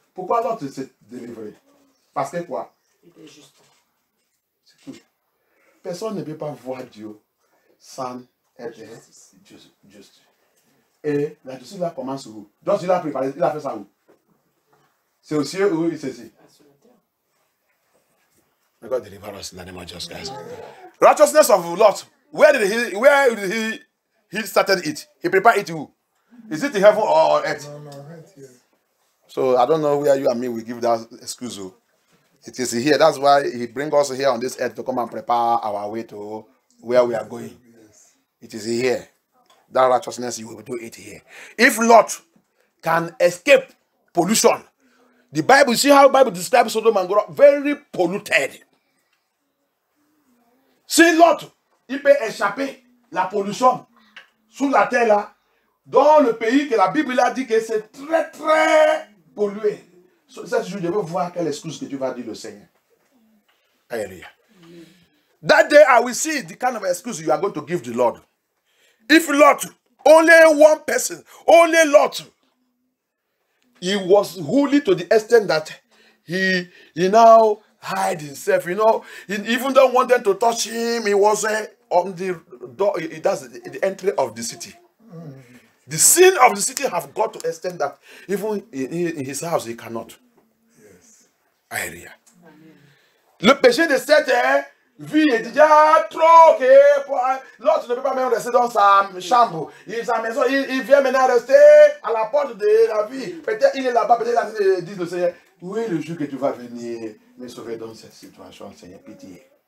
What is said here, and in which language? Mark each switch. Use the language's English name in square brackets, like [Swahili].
[French] Pourquoi Lot s'est délivré? Parce que quoi? Il était juste. C'est tout. Personne ne peut pas voir Dieu sans être juste. Et la justice là commence où? Donc il a préparé, il a fait ça où? C'est au ciel ou c'est ici? [English] May God deliver us in the name of Jesus Christ. Righteousness of Lot. Where did he started it? He prepared it to. Is it in heaven or earth? No, right here. So I don't know where you and me will give that excuse. It is here. That's why he brings us here on this earth to come and prepare our way to where we are going. Yes. It is here. That righteousness, you will do it here. If Lot can escape pollution, the Bible, see how the Bible describes Sodom and Gomorrah? Very polluted. [French] Si Lot, il peut échapper la pollution sous la terre là, dans le pays que la Bible a dit que c'est très très pollué. Ça, je veux voir quelle excuse que tu vas dire au Seigneur. Alléluia. [English] That day I will see the kind of excuse you are going to give the Lord. If Lot, only one person, only Lot, he was holy to the extent that he now hide himself, you know. He even don't want them to touch him. He was on the door. That's the entry of the city. The sin of the city have got to extend that even in his house he cannot. Yes. Area. [French] Le péché de cette vie est déjà trop. Lorsque ne peut pas même rester dans sa chambre, dans sa maison, il vient maintenant rester à la porte de la vie. Peut-être il est là-bas. Peut-être il dit le Seigneur. Où est le jour que tu vas venir me sauver dans cette situation, Seigneur, pitié.